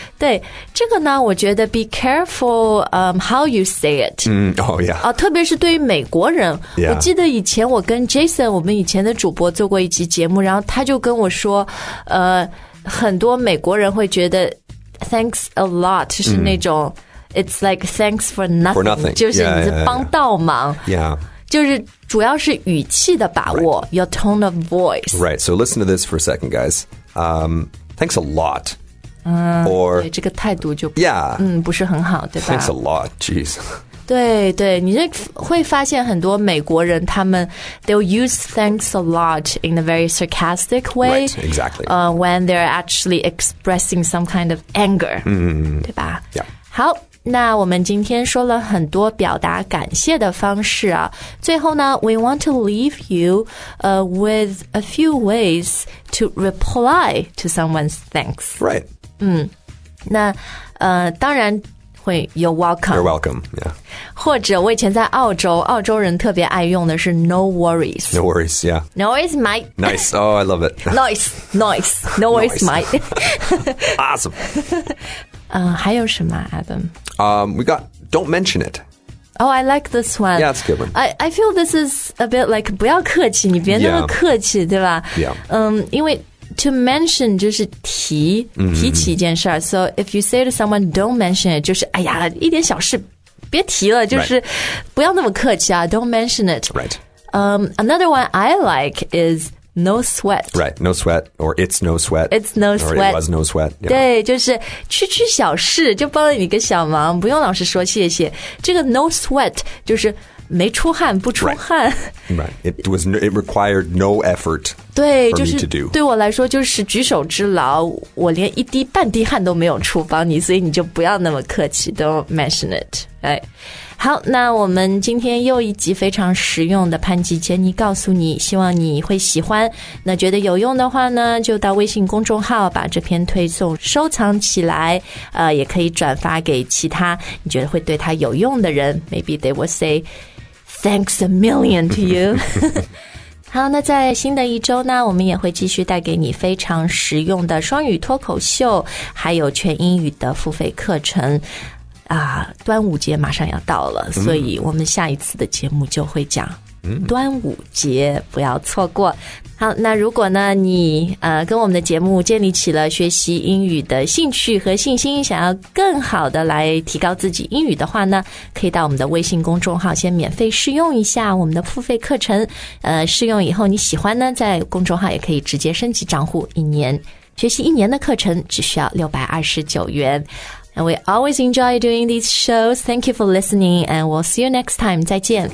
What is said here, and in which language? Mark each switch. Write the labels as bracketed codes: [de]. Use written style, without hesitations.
[zh] 对，这个呢，我觉得 [en] be careful how you say it. Yeah. [zh] 特别是对于美国人。 [en] Yeah. [zh] 我记得以前我跟 Jason, 我们以前的主播做过一期节目，然后他就跟我说，很多美国人会觉得 [en] thanks a lot [zh] 是那种。 [en] It's like thanks for nothing. For nothing. [zh] 就是你是帮倒忙。 [en] Yeah. [zh] 就是主要是语气的把握 [en] right. Your tone of voice. Right. So listen to this for a second, guys. Thanks a lot. Or [zh] 对这个态度就 [en] Yeah. [zh] 不是很好对吧 [en] Thanks a lot. Jeez. [zh] 对对你就会发现很多美国人他们 [en] They'll use thanks a lot in a very sarcastic way. Right. Exactly. When they're actually expressing some kind of anger. [zh] 对吧 [en] Yeah. [zh] 好那我们今天说了很多表达感谢的方式啊。最后呢 [en] ,we want to leave you, with a few ways to reply to someone's thanks. Right. [zh] 那当然会 [en] you're welcome. You're welcome, yeah. [zh] 或者我以前在澳洲澳洲人特别爱用的是 [en] no worries. No worries, yeah. No worries, mate. Nice, oh, I love it. Nice. No worries, mate. Awesome. [zh] 还有什么 Adam? [en] We got, don't mention it. Oh, I like this one. Yeah, it's a good one. I feel this is a bit like, [zh] 不要客气,你别那么客气,对吧? [en] Yeah. [zh] 因为 [en] to mention [zh] 就是提,提起一件事。 [en] So if you say to someone, don't mention it, [zh] 就是哎呀,一点小事,别提了,就是不要那么客气啊, [en] don't mention it. Right. Another one I like is... No sweat. Right, no sweat, or it's no sweat. It's no sweat. Or it was no sweat.、Yeah. [zh] 对，就是区区小事，就帮了你一个小忙，不用老是说谢谢。这个 no sweat 就是没出汗，不出汗。 [en] Right, right. It required no effort [zh] 对 [en] for、 [zh] 就是、 [en] me to do. [zh] 对我来说就是举手之劳，我连一滴半滴汗都没有出帮你，所以你就不要那么客气 [en] don't mention it. Right. [zh] 好，那我们今天又一集非常实用的潘吉杰尼告诉你，希望你会喜欢。那觉得有用的话呢，就到微信公众号把这篇推送收藏起来，也可以转发给其他你觉得会对他有用的人。 [en] Maybe they will say thanks a million to you. [zh] 好，那在新的一周呢，我们也会继续带给你非常实用的双语脱口秀，还有全英语的付费课程。端午节马上要到了、所以我们下一次的节目就会讲端午节、不要错过。好，那如果呢你跟我们的节目建立起了学习英语的兴趣和信心，想要更好的来提高自己英语的话呢，可以到我们的微信公众号先免费试用一下我们的付费课程，试用以后你喜欢呢，在公众号也可以直接升级账户，一年学习一年的课程只需要629元。 [en] And we always enjoy doing these shows. Thank you for listening, and we'll see you next time. [zh] 再见。